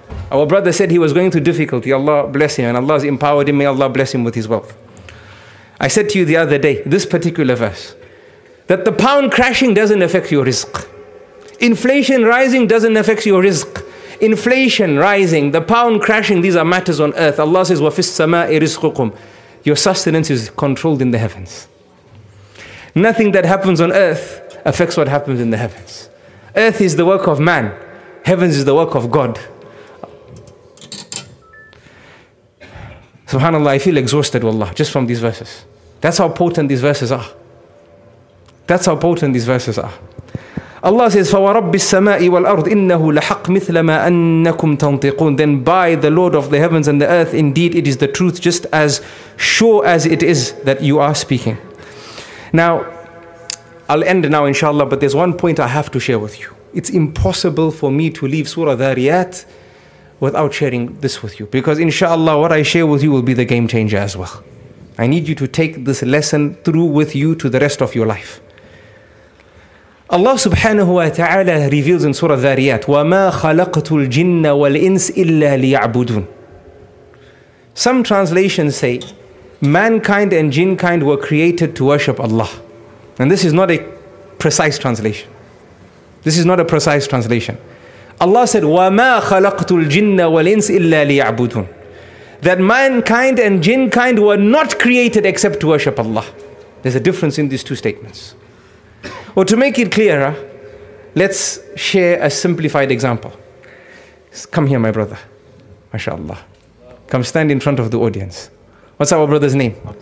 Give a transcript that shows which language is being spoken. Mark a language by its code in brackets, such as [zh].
[en] Our brother said he was going through difficulty. Allah bless him, and Allah has empowered him. May Allah bless him with his wealth. I said to you the other day, this particular verse, that the pound crashing doesn't affect your rizq. Inflation rising doesn't affect your rizq. Inflation rising, the pound crashing, these are matters on earth. [ar] Allah says, وَفِي السَّمَاءِ رِزْقُكُمْ. [en] Your sustenance is controlled in the heavens. Nothing that happens on earth affects what happens in the heavens. Earth is the work of man. Heavens is the work of God. SubhanAllah, I feel exhausted, wallah, just from these verses. That's how potent these verses are. That's how potent these verses are. [ar] Allah says, فَوَرَبِّ السَّمَاءِ وَالْأَرْضِ إِنَّهُ لَحَقْ مِثْلَ مَا أَنَّكُمْ تَنْطِقُونَ. [en] Then by the Lord of the heavens and the earth, indeed it is the truth, just as sure as it is that you are speaking. Now, I'll end now inshallah, but there's one point I have to share with you. It's impossible for me to leave Surah Dhariyat without sharing this with you, because inshallah what I share with you will be the game changer as well. I need you to take this lesson through with you to the rest of your life. [ar] Allah subhanahu wa ta'ala reveals in Surah Dhariyat, وَمَا خَلَقْتُ الْجِنَّ وَالْإِنسِ إِلَّا لِيَعْبُدُونَ. [en] Some translations say, mankind and jinnkind were created to worship Allah. And this is not a precise translation. This is not a precise translation. [ar] Allah said, وَمَا خَلَقْتُ الْجِنَّ وَالْإِنسِ إِلَّا لِيَعْبُدُونَ. [en] That mankind and jinnkind were not created except to worship Allah. There's a difference in these two statements. Well, to make it clearer, let's share a simplified example. Come here, my brother. MashaAllah. Come stand in front of the audience. What's our brother's name?